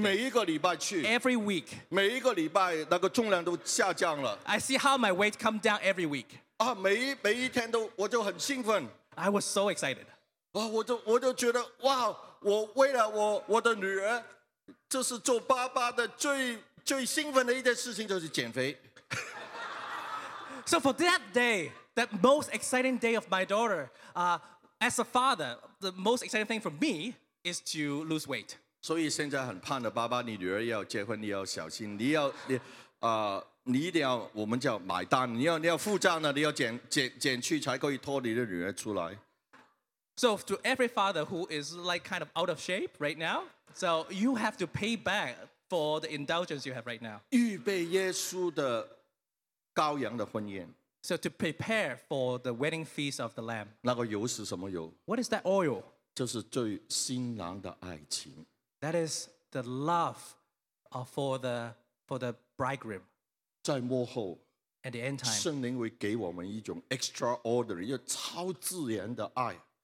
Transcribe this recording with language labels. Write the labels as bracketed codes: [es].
[zh] 每一个礼拜去 [en] Every week. [zh] 每一个礼拜那个重量都下降了 [en] I see how my weight come down every week. [zh] 啊，每一天都我就很兴奋 [en] I was so excited. [zh] 啊，我就觉得哇，我为了我的女儿，这是做爸爸的最兴奋的一件事情就是减肥 [en] So for that day, that most exciting day of my daughter, As a father, the most exciting thing for me is to lose weight. [zh] 所以现在很胖的爸爸，你女儿要结婚，你要小心，你要你啊、你一定要我们叫买单，你要付账的，你要减去才可以拖你的女儿出来。 [en] So to every father who is like kind of out of shape right now, so you have to pay back for the indulgence you have right now. [zh] 预备耶稣的羔羊的婚宴。 [en] So to prepare for the wedding feast of the Lamb. [zh] 那个油是什么油？ [en] What is that oil? [zh] 就是对新郎的爱情。 [en] That is the love for the bridegroom. [zh] 在幕后。 [en] At the end time. [zh] 圣灵会给我们一种 extraordinary, 一个超自然的爱。